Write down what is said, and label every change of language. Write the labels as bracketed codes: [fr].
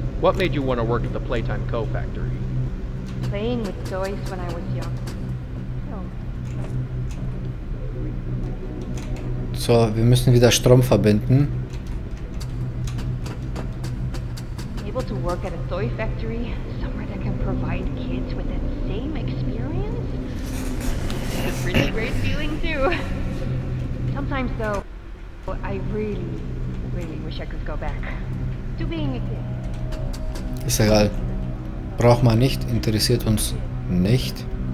[en] What made you want to work at the Playtime Co. Factory? Playing with toys when I was young. [de] So, wir müssen wieder Strom verbinden. [en] Able to work at a toy factory, somewhere that can provide kids with that same experience? It's a pretty great feeling too. Sometimes though, I really, really wish I could go back to being a kid. [de] Ist egal. Braucht man nicht, interessiert uns nicht.